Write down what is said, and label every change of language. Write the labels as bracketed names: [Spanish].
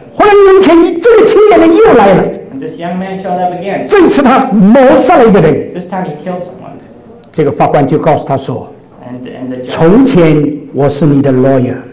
[Chinese] 后来有一天，这个青年人又来了。 [English] And this young man showed up again. [Chinese] 这次他谋杀了一个人。 [English] This time he killed someone. [Chinese] 这个法官就告诉他说， [English] and judge, [Chinese] 从前我是你的 lawyer,